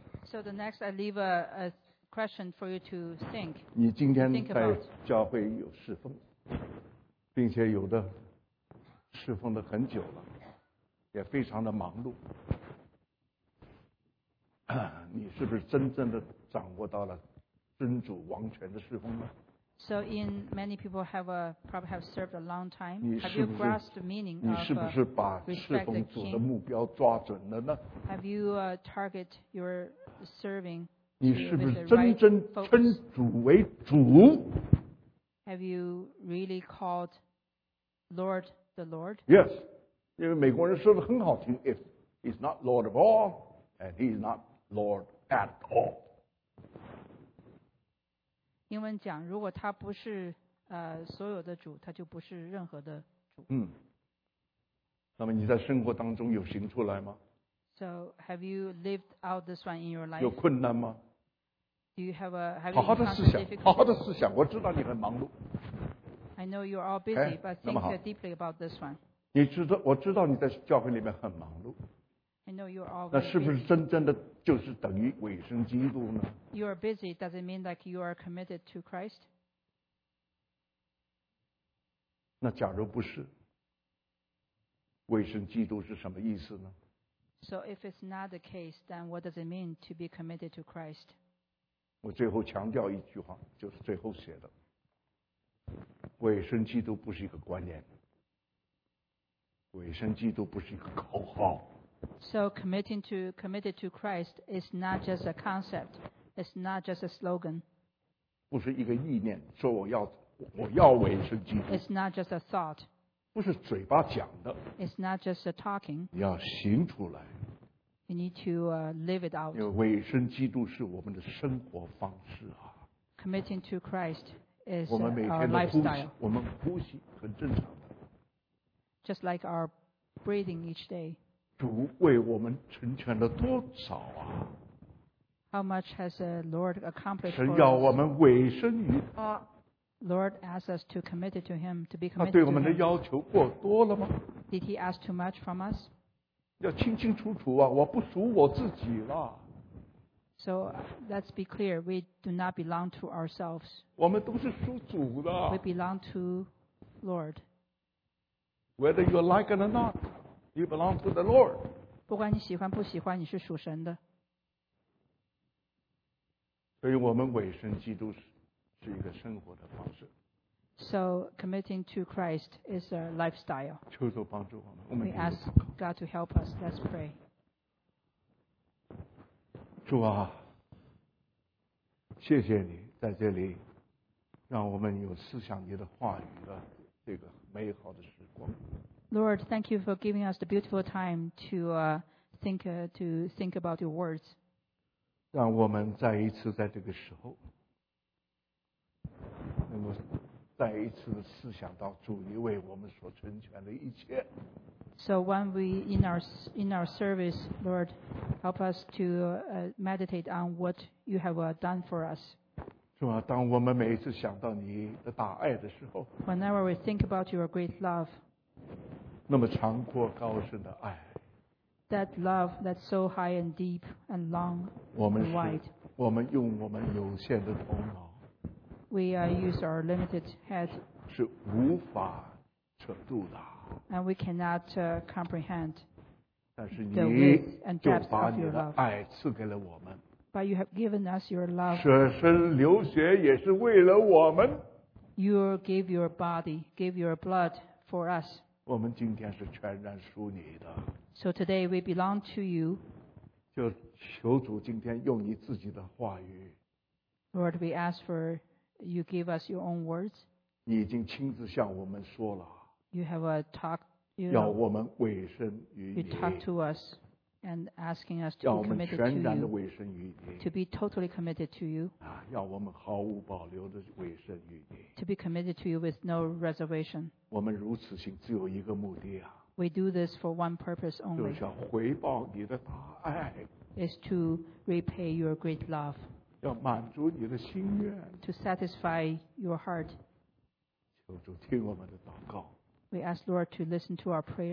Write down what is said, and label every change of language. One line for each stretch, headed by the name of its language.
English: So the next, I leave a question for you to think.
Chinese: 你今天在教会有侍奉，并且有的侍奉的很久了，也非常的忙碌。你是不是真正的掌握到了真主王权的侍奉呢？
English: So in many people probably have served a long time. Have you grasped the meaning of respect the king?
Chinese: 你是不是把侍奉主的目标抓准了呢？
English: Have you target your serving?
Chinese: 你是不是真正称主为主？
English: Have you really called Lord the Lord? Yes,
Chinese: 因为美国人说的很好听，
English: if he's not Lord of all and he's notLord at all.
Chinese: 英文讲，如果他不是所有的主，他就不是任何的主。嗯。那么你在生活当中有行出来吗？
English: So have you lived out this one in your life?
Chinese: 有困难吗？
English: Do you have a
Chinese: 好好的思想，好好的思想。我知道你很忙碌。
English: I know you're all busy, but think deeply about this one.
Chinese: 你知道，我知道你在教会里面很忙碌。
English: I know you're all busy.
Chinese: 那是不是真正的就是等于委身基督呢？
English: You are busy. Does it mean like you are committed to Christ?
Chinese: 那假如不是，委身基督是什么意思呢？
English: So if it's not the case, then what does it mean to be committed to Christ?
Chinese: 我最后强调一句话，就是最后写的，委身基督不是一个观念，委身基督不是一个口号。
English: So committed to Christ is not just a concept, it's not just a slogan.
Chinese: 不是一个意念，说我要委身基督。
English: It's not just a thought.
Chinese: 不是嘴巴讲的。
English: It's not just a talking.
Chinese: 你要行出来。
English: You need to live it out.
Chinese: 因为委身基督是我们的生活方式啊。
English: Committing to Christ is our lifestyle.
Chinese: 我们每天的呼吸，我们呼吸很正常的。
English: Just like our breathing each day.
Chinese: 主为我们成全了多少啊！
English: How much has the Lord accomplished?
Chinese: 神要我们委身于他。
English: Lord asks us to commit to Him, to be committed.
Chinese: 他对我们的要求过多了吗？
English: Did He ask too much from us?
Chinese: 要清清楚楚啊！我不属我自己了。
English: So let's be clear, we do not belong to ourselves.
Chinese: 我们都是属主的。
English: We belong to Lord. Whether you like it or not. You belong to the Lord.
Chinese: 不管你喜欢不喜欢，你是属神的。所以我们委身基督是一个生活的方式。
English: So committing to Christ is a lifestyle.
Chinese: 求主帮助我们。我们
English: We ask God to help us. Let's pray.
Chinese: 主啊，谢谢你在这里，让我们有思想你的话语的这个美好的时光。
English: Lord, thank you for giving us the beautiful time to think about your words.
Chinese: 让我们再一次在这个时候，能够再一次的思想到主你为我们所成全的一切。
English: So when we in our service, Lord, help us to meditate on what you have done for us.
Chinese: 是吧？当我们每一次想到你的大爱的时候
English: ，Whenever we think about your great love.
Chinese: 那么长阔高深的爱。
English: That love that's so high and deep and long and wide.
Chinese: 我们用我们有限的头脑。
English: We use our limited head.
Chinese: 是无法测度的。
English: And we cannot comprehend.
Chinese: 但是你就把你的爱赐给了我们。
English: But you have given us your love.
Chinese: 舍身流血也是为了我们。
English: You gave your body, gave your blood for us.
Chinese: 我们今天是全然属你的。
English: So today we belong to you.
Chinese: 就求主今天用你自己的话语。
English: Lord, we ask for you give us your own words.
Chinese: 你已经亲自向我们说了。
English: You have a talk. You know,
Chinese: 要我们委身于你。
English: You talk to us and asking us to be committed to you.
Chinese: 让我们全然的委身于你。
English: To be totally committed to you.
Chinese: 要我们毫无保留的委身于你。
English: To be committed to you with no reservation.
Chinese: 我们如此行只有一个目的啊。
English: We do this for one purpose only.
Chinese: 就是要回报你的大爱。
English: Is to repay your great love.
Chinese: 要满足你的心愿。
English: To satisfy your heart.
Chinese: 求主听我们的祷告。
English: We ask Lord to listen to our prayers.